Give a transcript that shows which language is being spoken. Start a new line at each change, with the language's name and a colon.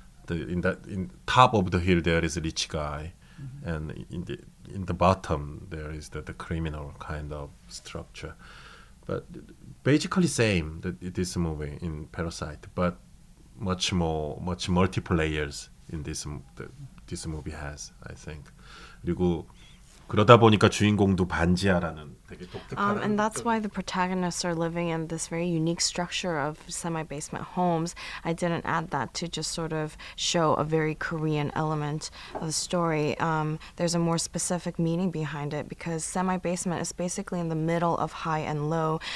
English: In top of the hill there is a rich guy, and in the bottom there is the criminal kind of structure. But basically same that this movie in Parasite, but much multiple layers in this movie has, I think.
Korean: 그리고 그러다 보니까 주인공도 반지하라는 되게 독특한
English: And that's why the protagonists are living in this very unique structure of semi-basement homes. I didn't add that to just sort of show a very Korean element of the story. There's a more specific meaning behind it because semi-basement is basically in the middle of high and low.